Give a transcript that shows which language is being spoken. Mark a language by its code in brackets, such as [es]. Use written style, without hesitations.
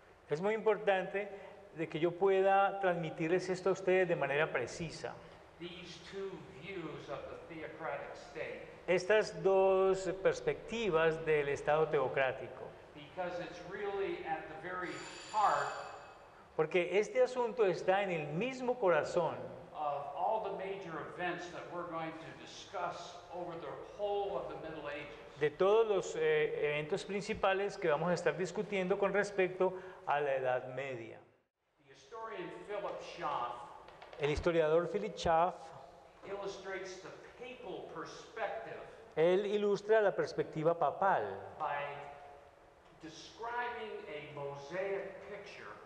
[es] Es muy importante de que yo pueda transmitirles esto a ustedes de manera precisa. [en] These two views of the theocratic state, [es] estas dos perspectivas del Estado teocrático. [en] Because it's really at the very heart, [es] porque este asunto está en el mismo corazón [en] of all the major events that we're going to discuss over the whole of the Middle Ages. [es] De todos los eventos principales que vamos a estar discutiendo con respecto a la Edad Media. [en] The historian Philip Schaff, [es] el historiador Philip Schaff, [en] illustrates the papal perspective, [es] él ilustra la perspectiva papal [en] by describing a mosaic picture.